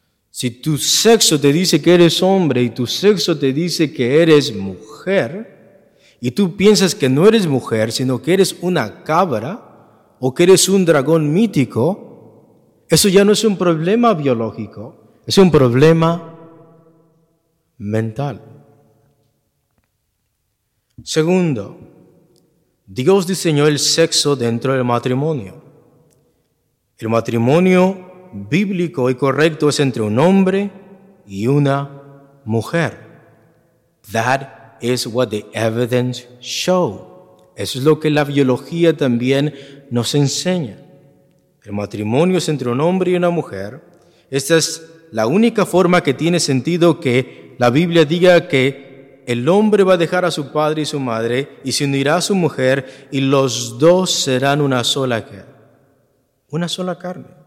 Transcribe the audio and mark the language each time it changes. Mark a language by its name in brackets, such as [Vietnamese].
[Spanish] Si tu sexo te dice que eres hombre y tu sexo te dice que eres mujer, y tú piensas que no eres mujer, sino que eres una cabra o que eres un dragón mítico, eso ya no es un problema biológico, es un problema mental. Segundo, Dios diseñó el sexo dentro del matrimonio. El matrimonio bíblico y correcto es entre un hombre y una mujer. [English] That is what the evidence shows. [Spanish] Eso es lo que la biología también nos enseña. El matrimonio es entre un hombre y una mujer. Esta es la única forma que tiene sentido que la Biblia diga que el hombre va a dejar a su padre y su madre y se unirá a su mujer y los dos serán una sola carne. Una sola carne.